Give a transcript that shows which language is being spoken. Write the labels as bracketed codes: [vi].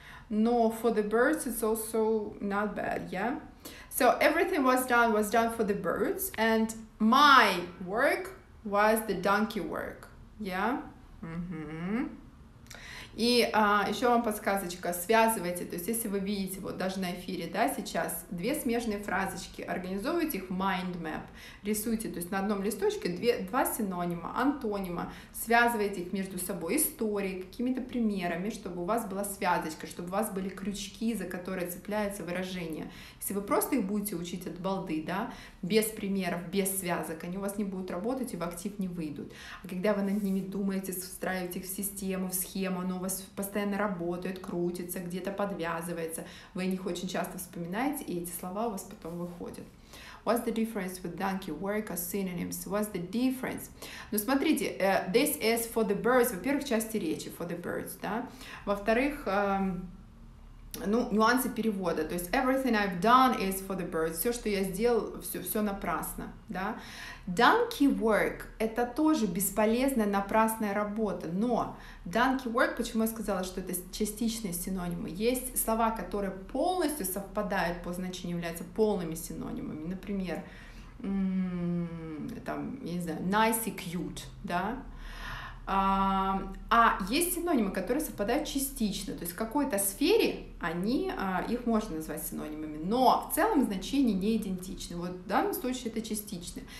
[ru] Но [en] for the birds it's also not bad, yeah? So everything was done for the birds, and my work was the donkey work, yeah? Mm-hmm. [ru] И еще вам подсказочка, связывайте, то есть если вы видите, вот даже на эфире, да, сейчас две смежные фразочки, организовывайте их в mind map, рисуйте, то есть на одном листочке два синонима, антонима, связывайте их между собой, истории, какими-то примерами, чтобы у вас была связочка, чтобы у вас были крючки, за которые цепляется выражение. Если вы просто их будете учить от балды, да, без примеров, без связок, они у вас не будут работать и в актив не выйдут. А когда вы над ними думаете, встраиваете их в систему, в схему, оно у вас постоянно работает, крутится, где-то подвязывается, вы о них очень часто вспоминаете, и эти слова у вас потом выходят. [en] What's the difference with donkey work or synonyms? What's the difference? [ru] Ну, смотрите, [en] this is for the birds. [ru] Во-первых, части речи for the birds, да? Во-вторых, ну, нюансы перевода. То есть [en] everything I've done is for the birds. [ru] Все, что я сделал, все напрасно, да? Donkey work – это тоже бесполезная, напрасная работа, но donkey work, почему я сказала, что это частичные синонимы, есть слова, которые полностью совпадают по значению, являются полными синонимами, например, там, я не знаю, nice и cute, да, а есть синонимы, которые совпадают частично, то есть в какой-то сфере они, их можно назвать синонимами, но в целом значение не идентичны, вот в данном случае это частично.